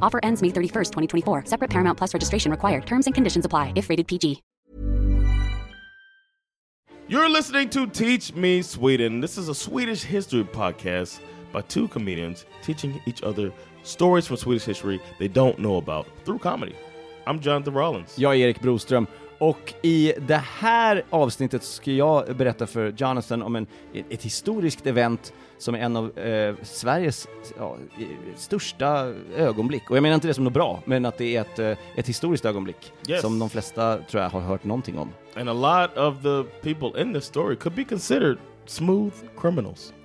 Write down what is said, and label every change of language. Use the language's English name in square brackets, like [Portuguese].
[English] Offer ends May 31st, 2024. Separate Paramount Plus registration required. Terms and conditions apply if rated PG. You're listening to Teach Me Sweden. This is a Swedish history podcast by two comedians teaching each other stories from Swedish history they don't know about through comedy. I'm Jonathan Rollins. [Swedish] Jag är Erik Broström. Och i det här avsnittet ska jag berätta för Jonathan om ett historiskt event som är en av Sveriges största ögonblick. Och jag menar inte det som något bra, men att det är ett historiskt ögonblick. [English] Yes. [Swedish] Som de flesta tror jag har hört någonting om. [English] And a lot of the people in this story could be considered smooth criminals.